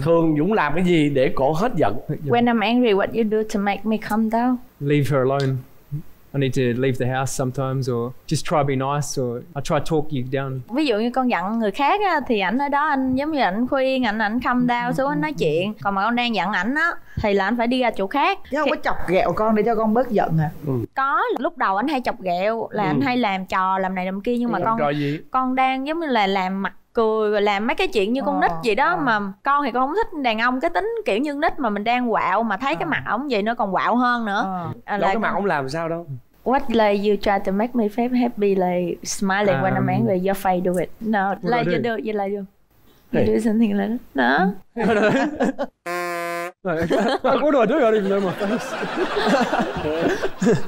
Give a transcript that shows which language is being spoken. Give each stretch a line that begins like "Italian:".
Vietnamese: Thường Dũng làm cái gì để cổ hết giận?
English: When I'm angry, what you do to make me calm down? Leave her alone. I need to leave the house sometimes, or just try to be nice, or I try to talk you down.
Vietnamese: Ví dụ như con giận người khác á, thì ảnh ở đó anh giống như ảnh khuyên, ảnh
English: calm down
Vietnamese: xuống anh nói chuyện. Còn mà con đang giận ảnh á, thì là anh phải đi ra chỗ khác. Chứ không có chọc ghẹo con để cho con bớt giận hả? Có, lúc đầu anh hay chọc ghẹo, là anh hay làm trò, làm này làm kia, nhưng mà con đang giống như là làm mặt cười, làm mấy cái chuyện như con nít vậy đó. Mà con thì con không thích đàn ông cái tính kiểu như nít, mà mình đang quạo mà thấy cái mặt ổng vậy nó còn quạo hơn nữa. Cái mặt ổng làm sao đâu.
English: What like you try to make me feel happy, like smiling when I'm angry, your face do it. No, like you do it, you like you. You do something like that. No? What do I do? I don't even know.